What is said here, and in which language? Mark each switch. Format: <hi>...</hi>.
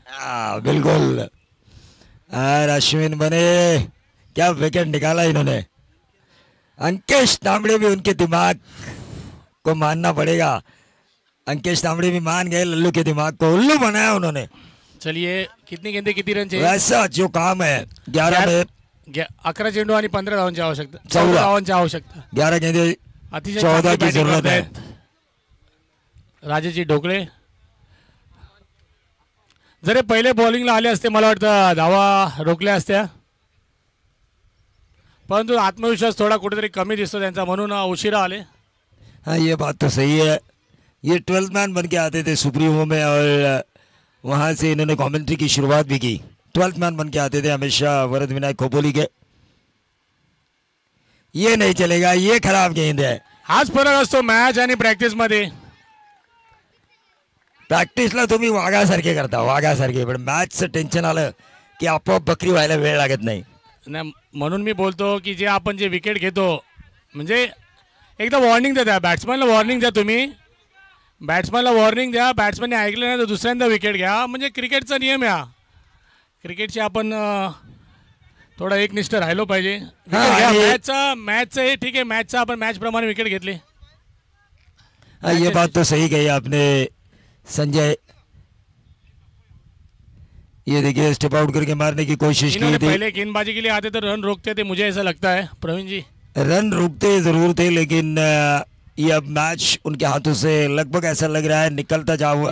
<hi>बिल्कुल आर अश्विन बने, क्या विकेट निकाला इन्होंने। अंकेश तांबड़े भी, उनके दिमाग को मानना पड़ेगा, अंकेश तांबड़े भी मान गए लल्लू के दिमाग को, उल्लू बनाया उन्होंने। चलिए कितनी गेंदे कितनी रन चाहिए, वैसा जो काम है 11 में</hi> <mr>11 चेंडू आणि 15 धावांची आवश्यकता, 14 धावांची आवश्यकता,</mr> <hi>11 गेंदे 14 की जरूरत है।</hi> <mr>राजेजी ढोकळे जरे पहिले बॉलिंगला आले असते मला वाटतं धावा रोखल्या असत्या, परंतु आत्मविश्वास थोडा कुठेतरी कमी दिसतो त्यांचा म्हणून उशिरा आले।</mr> <hi>हाँ ये बात तो सही है, ये 12th मैन बन के आते थे सुप्रीमो में, और वहां से इन्होंने कमेंट्री की शुरुआत भी की, 12th मैन बन के आते थे हमेशा वरद विनायक खोपोली के। ये नहीं चलेगा, ये खराब गेंद है,</hi> <mr>आज फरक असतो मैच आणि प्रैक्टिस मध्ये, प्रैक्टिस ला तुम्ही वागा सारखे करता, वागा सारखे, पण मैच से टेंशन आलं की आपोआप बकरी व्हायला वेळ लागत नाही। म्हणून मी बोलतो की जे आपण जे विकेट घेतो म्हणजे एकदा वॉर्निंग द्या बॅट्समॅनला, वॉर्निंग द्या तुम्ही बॅट्समॅनला, वॉर्निंग द्या बॅट्समॅनने ऐकलं नाही तर दुसऱ्यांदा विकेट घ्या, म्हणजे क्रिकेटचा नियम आहे, क्रिकेटची आपण थोडा एकनिष्ठ राहिलो पाहिजे। मॅचचा मॅचचं हे ठीक आहे, मॅचचा आपण मॅच प्रमाणे विकेट घेतले।</mr> <hi>ये बात तो सही कही आपने संजय, ये देखिए स्टेप आउट करके मारने की कोशिश की थी, पहले गेंदबाजी के लिए आते तो रन रोकते थे मुझे ऐसा लगता है प्रवीण जी, रन रोकते जरूर थे, लेकिन ये अब मैच उनके हाथों से लगभग ऐसा लग रहा है निकलता जा हुआ,</hi>